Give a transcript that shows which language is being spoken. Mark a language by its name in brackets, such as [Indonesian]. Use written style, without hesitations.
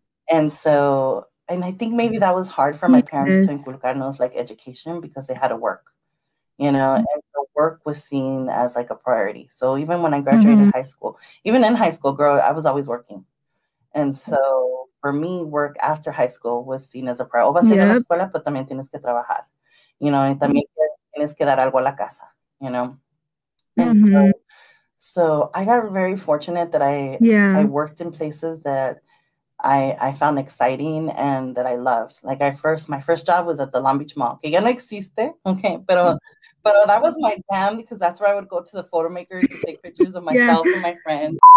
[English] And so, and I think maybe that was hard for my parents to inculcarnos like education because they had to work, you know. And so work was seen as like a priority. So even when I graduated high school, even in high school, girl, I was always working. And so for me, work after high school was seen as a priority. [Spanish] O vas a ir a la escuela, pero también tienes que trabajar, you know. And también tienes que dar algo a la casa, you know. [English] And so I got very fortunate that I worked in places that I found exciting and that I loved. Like my first job was at the Long Beach Mall. [Spanish] Que ya no existe, [English] okay, pero that was my jam because that's where I would go to the photo maker to take pictures of myself and my friends.